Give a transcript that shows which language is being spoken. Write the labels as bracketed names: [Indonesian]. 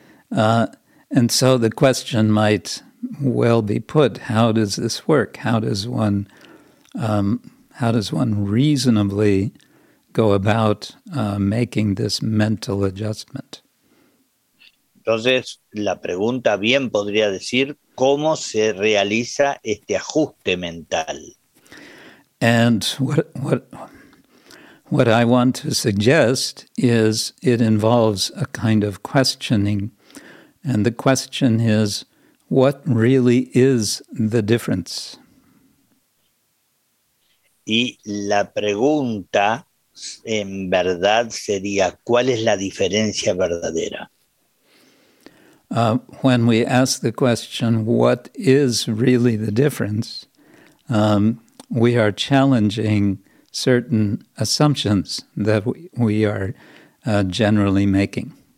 [English] And so the question might well be put, how does this work? How does one reasonably go about making this mental adjustment? [Spanish] Entonces, la pregunta bien podría decir, ¿cómo se realiza este ajuste mental? [English] And what I want to suggest is it involves a kind of questioning. And the question is, what really is the difference? [Spanish] Y la pregunta, en verdad, sería, ¿cuál es la diferencia verdadera? [English] When we ask the question, what is really the difference, we are challenging certain assumptions that we are generally making.